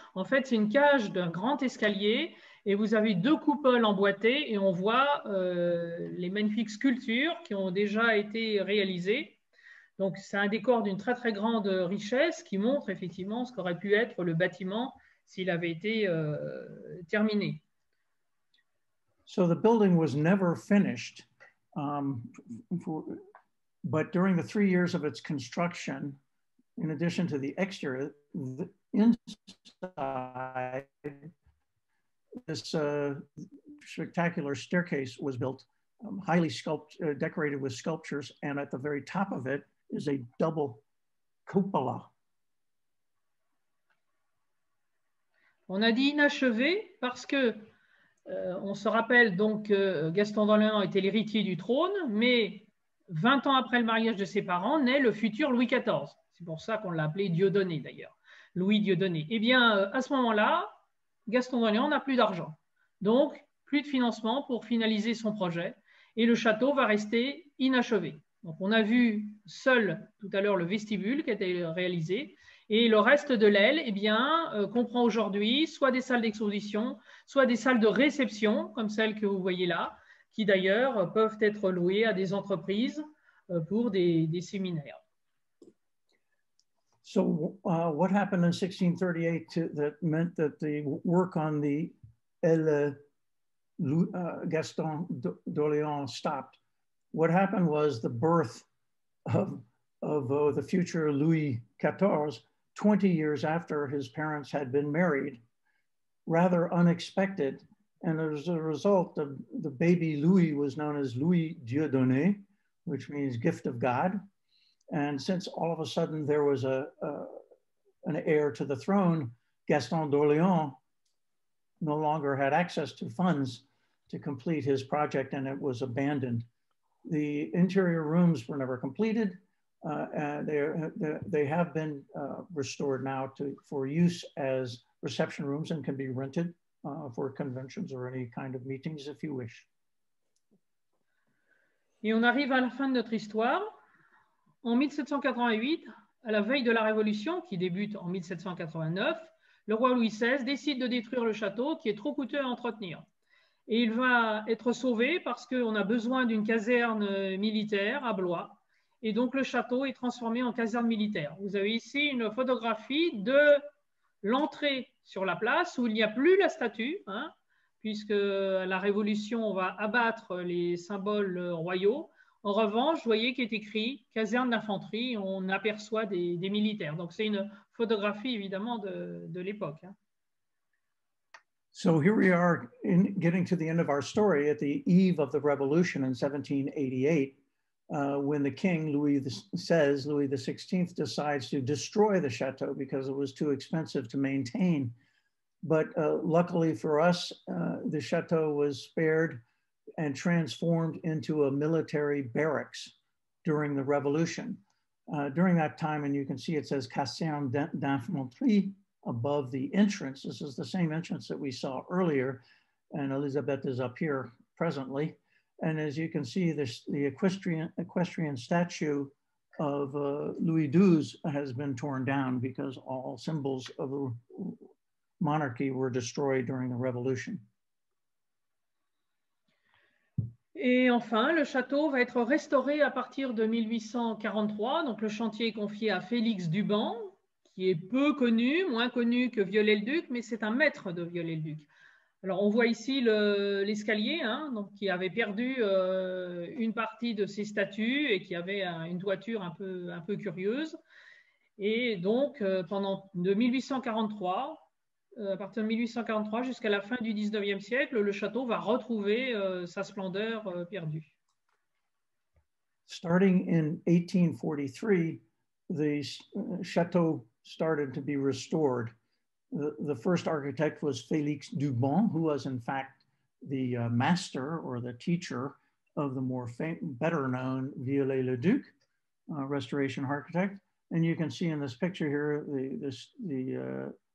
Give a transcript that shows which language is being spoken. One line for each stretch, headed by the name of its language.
French: En fait, c'est une cage d'un grand escalier et vous avez deux coupoles emboîtées et on voit les magnifiques sculptures qui ont déjà été réalisées. Donc, c'est un décor d'une très, très grande richesse qui montre effectivement ce qu'aurait pu être le bâtiment s'il avait été terminé. So the building was never finished, but during the 3 years of its construction, in addition to the exterior, the inside, this spectacular staircase was built, highly decorated with sculptures, and at the very top of it is a double cupola. On a dit inachevé parce que on se rappelle donc que Gaston d'Orléans était l'héritier du trône, mais 20 ans après le mariage de ses parents, naît le futur Louis XIV. C'est pour ça qu'on l'a appelé Dieudonné d'ailleurs, Louis Dieudonné. Eh bien, à ce moment-là, Gaston d'Orléans n'a plus d'argent. Donc, plus de financement pour finaliser son projet et le château va rester inachevé. Donc, on a vu seul tout à l'heure le vestibule qui a été réalisé et le reste de l'aile, eh bien, comprend aujourd'hui soit des salles d'exposition, soit des salles de réception, comme celles que vous voyez là, qui d'ailleurs peuvent être louées à des entreprises pour des séminaires.
English: So, what happened in 1638 that meant that the work on the aile Gaston d'Orléans stopped? What happened was the birth of the future Louis XIV, 20 years after his parents had been married, rather unexpected. And as a result, the baby Louis was known as Louis Dieudonné, which means gift of God. And since all of a sudden there was an heir to the throne, Gaston d'Orléans no longer had access to funds to complete his project and it was abandoned. The interior rooms were never completed. They have been restored now for use as reception rooms and can be rented for conventions or any kind of meetings if you wish.
French: Et on arrive à la fin de notre histoire. En 1788, à la veille de la Révolution qui débute en 1789, le roi Louis XVI décide de détruire le château qui est trop coûteux à entretenir. Et il va être sauvé parce qu'on a besoin d'une caserne militaire à Blois. Et donc le château est transformé en caserne militaire. Vous avez ici une photographie de l'entrée sur la place où il n'y a plus la statue, hein, puisque à la Révolution, on va abattre les symboles royaux. En revanche, vous voyez qu'il est écrit « caserne d'infanterie », on aperçoit des militaires. Donc c'est une photographie évidemment de l'époque. Hein.
English: So here we are in getting to the end of our story at the eve of the revolution in 1788, when the king, Louis XVI, decides to destroy the chateau because it was too expensive to maintain. But luckily for us, the chateau was spared and transformed into a military barracks during the revolution. During that time, and you can see it says Caserne d'Infanterie, above the entrance. This is the same entrance that we saw earlier, and Elizabeth is up here presently. And as you can see, the equestrian statue of Louis XII has been torn down because all symbols of the monarchy were destroyed during the revolution.
French: Et enfin, le château va être restauré à partir de 1843. Donc le chantier est confié à Félix Duban, qui est peu connu, moins connu que Viollet-le-Duc, mais c'est un maître de Viollet-le-Duc. Alors, on voit ici l'escalier, hein, donc, qui avait perdu une partie de ses statues et qui avait une toiture un peu curieuse. Et donc, à partir de 1843 jusqu'à la fin du 19e siècle, le château va retrouver sa splendeur perdue.
English: Starting in 1843, the château started to be restored. The first architect was Félix Duban, who was in fact the master or the teacher of the better known Viollet-le-Duc, restoration architect. And you can see in this picture here, the